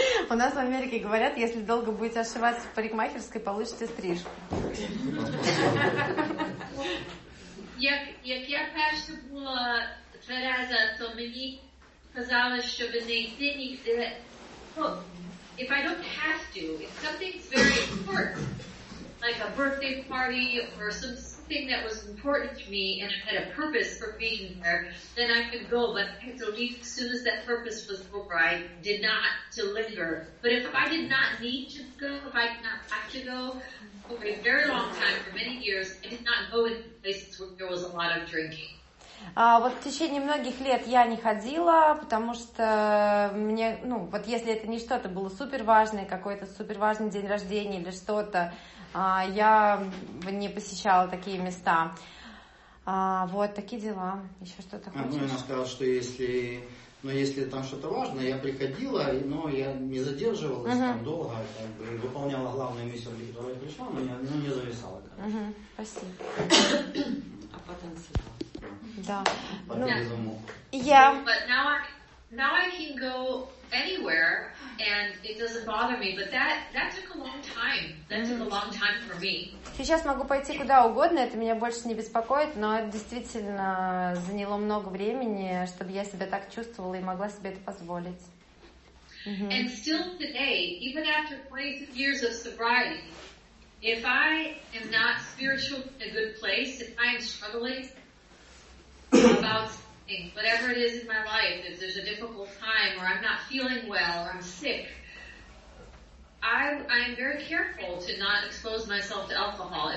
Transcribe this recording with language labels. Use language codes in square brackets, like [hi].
[ru] У нас в Америці говорять, если долго будете ошиваться в парикмахерской, получите стрижку. [uk] Як я перша була тверезо, то мені казали, щоб не йти ніде. [en] If I don't have to, if something's very important, like a birthday party or something that was important to me and I had a purpose for being there, then I could go, but I had to leave as soon as that purpose was over. I did not to linger. But if I did not need to go, if I did not have to go, for a very long time, for many years, I did not go in places where there was a lot of drinking. [ru] Вот в течение многих лет я не ходила, потому что мне, ну, вот если это не что-то было суперважное, какой-то суперважный день рождения или что-то, я не посещала такие места. Вот такие дела. Еще что-то хочешь? Ну, она сказала, что если там что-то важное, я приходила, но я не задерживалась там долго, как бы выполняла главную миссию, которая пришла, но не зависала. Спасибо. А потанцевала. Да. [en] But now I can go anywhere and it doesn't bother me. But that took a long time. Took a long time for me. [ru] Сейчас могу пойти куда угодно, это меня больше не беспокоит, но это действительно заняло много времени, чтобы я себя так чувствовала и могла себе это позволить. [en] And still today, even after 20 years of sobriety, if I am not spiritually in a good place, if I am struggling about things, whatever it is in my life, if there's a difficult time or I'm not feeling well or I'm sick, I'm very careful to not expose myself to alcohol.